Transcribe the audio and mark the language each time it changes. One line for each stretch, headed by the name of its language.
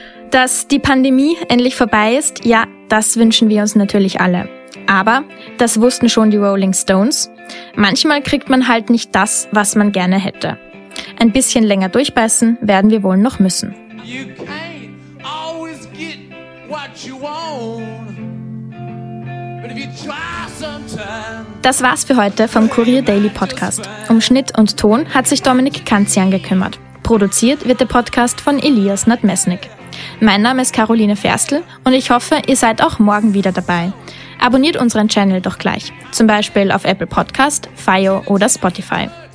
German: Dass die Pandemie endlich vorbei ist, ja, das wünschen wir uns natürlich alle. Aber das wussten schon die Rolling Stones. Manchmal kriegt man halt nicht das, was man gerne hätte. Ein bisschen länger durchbeißen werden wir wohl noch müssen.
English: You can't always get what you want. But if you try sometimes.
German: Das war's für heute vom Kurier Daily Podcast. Um Schnitt und Ton hat sich Dominik Kanzian gekümmert. Produziert wird der Podcast von Elias Nadmesnik. Mein Name ist Caroline Ferstl und ich hoffe, ihr seid auch morgen wieder dabei. Abonniert unseren Channel doch gleich, zum Beispiel auf Apple Podcast, Fio oder Spotify.